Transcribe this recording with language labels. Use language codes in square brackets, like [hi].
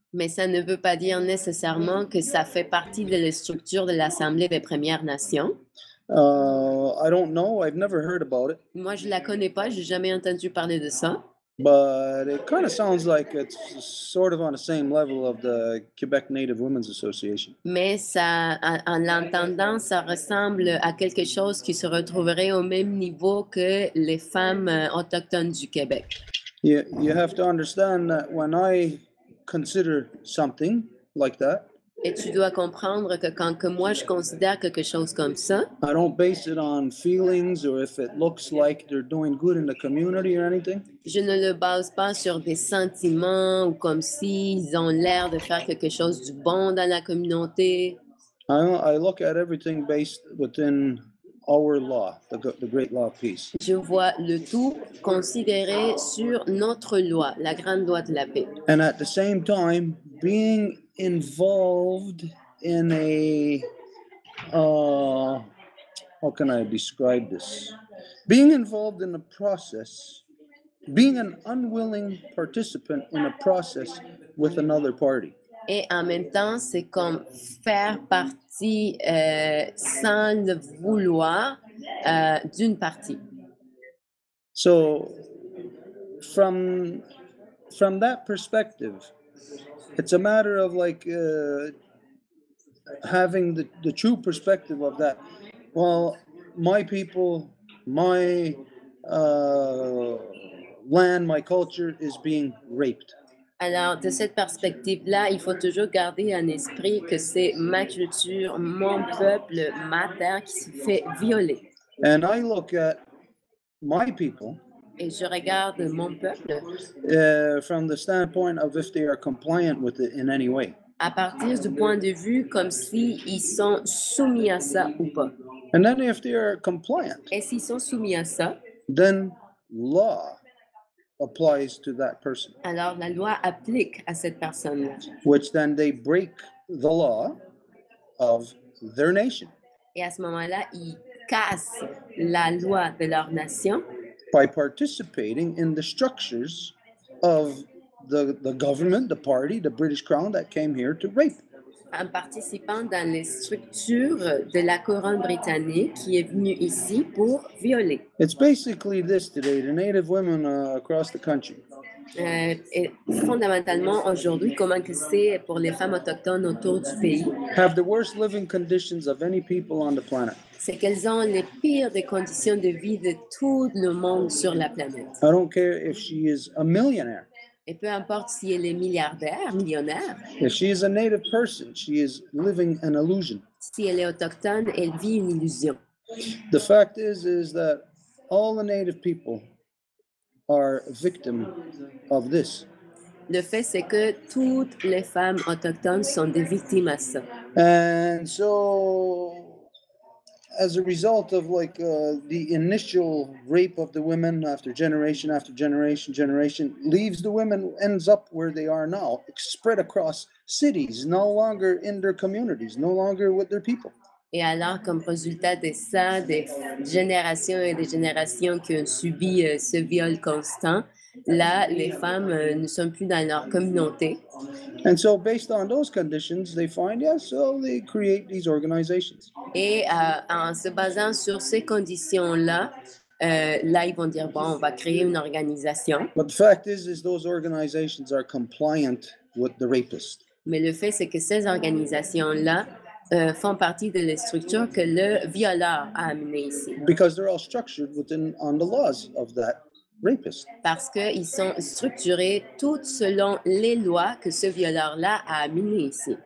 [fr] Mais ça ne veut pas dire nécessairement que ça fait partie de la structure de l'Assemblée des Premières Nations. [en] I don't know. I've never heard about it. [fr] Moi, je la connais pas. J'ai jamais entendu parler de ça. [en] But it kind of sounds like it's sort of on the same level of the Quebec Native Women's Association. [fr] Mais ça, en l'entendant, ça ressemble à quelque chose qui se retrouverait au même niveau que les femmes autochtones du Québec. [en] You have to understand that when I consider something like that. [fr] Et tu dois comprendre que quand que moi je considère quelque chose comme ça, [en] I don't base it on feelings or if it looks like they're doing good in the community or anything. [fr] Je ne le base pas sur des sentiments ou comme s'ils ont l'air de faire quelque chose du bon dans la communauté. [en] I look at everything based within our law, the great law of peace. [fr] Je vois le tout considéré sur notre loi, la grande loi de la paix. [en] And at the same time, being involved in a how can I describe this? Being involved in a process, being an unwilling participant in a process with another party. [fr] Et en même temps, c'est comme faire partie sans le vouloir d'une partie. [en] So from that perspective, it's a matter of like having the true perspective of that. Well, my people, my land, my culture is being raped. [fr] Alors, de cette perspective-là, il faut toujours garder en esprit que c'est ma culture, mon peuple, ma terre qui se fait violer. [en] And I look at my people. [fr] Et je regarde mon peuple [en] from the standpoint of if they are compliant with it in any way. [fr] À partir du point de vue comme s'ils sont soumis à ça ou pas. [en] And then if they are compliant. [fr] Et s'ils sont soumis à ça. [en] Then law applies to that person. [fr] Alors la loi applique à cette personne-là. [en] Which then they break the law of their nation. [fr] Et à ce moment-là, ils cassent la loi de leur nation. [en] By participating in the structures of the government, the party, the British Crown that came here to rape. [fr] En participant dans les structures de la couronne britannique qui est venue ici pour violer. [en] It's basically this today, the Native women across the country. [fr] Et fondamentalement aujourd'hui, comment que c'est pour les femmes autochtones autour du pays? [en] Have the worst living conditions of any people on the planet. [fr] C'est qu'elles ont les pires des conditions de vie de tout le monde sur la planète. [en] I don't care if she is a millionaire. [fr] Et peu importe si elle est milliardaire, millionnaire. [en] If she is a native person, she is living an illusion. [fr] Si elle est autochtone, elle vit une illusion. [en] The fact is that all the native people are victims of this. [fr] Le fait, c'est que toutes les femmes autochtones sont des victimes à ça. [en] And so, as a result of like the initial rape of the women after generation, generation leaves the women, ends up where they are now, spread across cities, no longer in their communities, no longer with their people. [fr] Et alors, comme résultat de ça, des générations et des générations qui ont subi ce viol constant, là, les femmes ne sont plus dans leur communauté. [en] And so, based on those conditions, they find, yes, so they create these organizations. [fr] Et en se basant sur ces conditions-là, là, ils vont dire, bon, on va créer une organisation. [en] But the fact is those organizations are compliant with the rapist. [fr] Mais le fait, c'est que ces organisations-là font partie de les structures que le violeur a amené ici. [en] Because they're all structured within on the laws of that rapist. [fr] Parce qu'ils sont structurés toutes selon les lois que ce violeur-là a amené ici.